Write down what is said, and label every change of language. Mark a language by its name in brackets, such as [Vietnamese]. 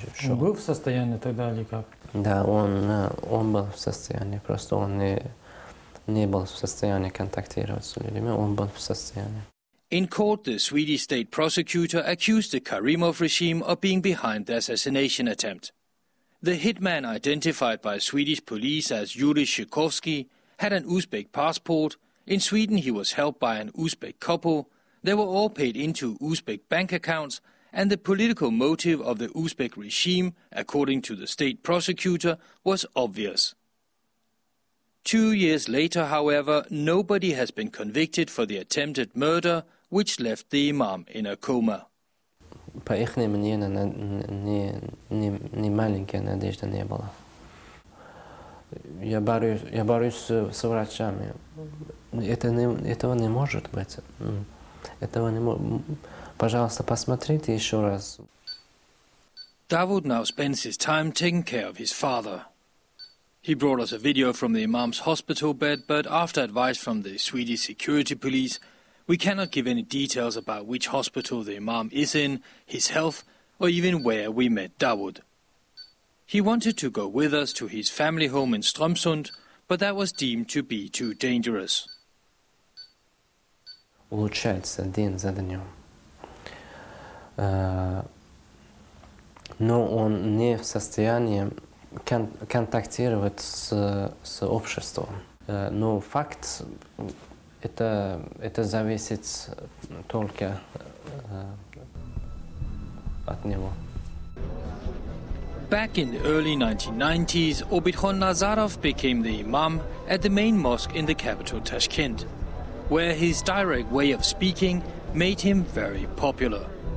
[Russian] шел. Он был в состоянии тогда или как? Да, он был в состоянии, просто он не был в состоянии контактировать с людьми, он был в состоянии. [English] In court, the Swedish state prosecutor accused the Karimov regime of being behind the assassination attempt. The hitman, identified by Swedish police as Yuri Shikovsky, had an Uzbek passport. In Sweden, he was helped by an Uzbek couple. They were all paid into Uzbek bank accounts, and the political motive of the Uzbek regime, according to the state prosecutor, was obvious. 2 years later, however, nobody has been convicted for the attempted murder, which left the imam in a coma. [Russian] По их мнению, не маленькая надежда не было. Я борюсь с врачами. Этого не может быть. Этого не может. Пожалуйста, посмотрите еще раз. [English] Dawood now spends his time taking care of his father. He brought us a video from the imam's hospital bed, but after advice from the Swedish security police, we cannot give any details about which hospital the imam is in, his health, or even where we met Dawood. He wanted to go with us to his family home in Strömsund, but that was deemed to be too dangerous. [Russian] Улучшается день за днем. Но он не в состоянии контактировать с обществом. Но факт, это зависит только от него. [English] Back in the early 1990s, Obidkhon Nazarov became the imam at the main mosque in the capital Tashkent, where his direct way of speaking made him very popular.